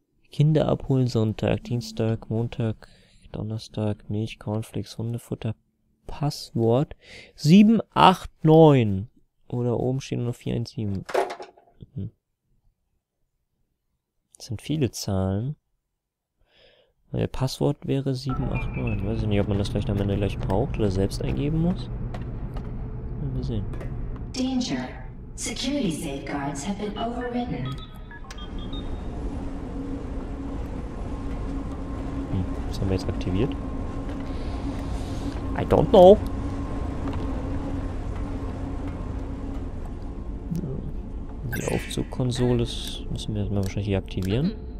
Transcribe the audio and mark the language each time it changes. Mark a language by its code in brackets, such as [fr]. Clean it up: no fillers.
[de] Kinder abholen Sonntag, Dienstag, Montag, Donnerstag, Milch, Cornflakes, Hundefutter, Passwort 789. Oder oben stehen nur 417. Das sind viele Zahlen. Weil Passwort wäre 789. Weiß ich nicht, ob man das vielleicht am Ende gleich braucht oder selbst eingeben muss. Mal sehen. [en] Danger. Security safeguards have been overridden. [de] Was haben wir jetzt aktiviert? [en] I don't know. [de] Die Aufzugkonsole müssen wir jetzt mal wahrscheinlich hier aktivieren.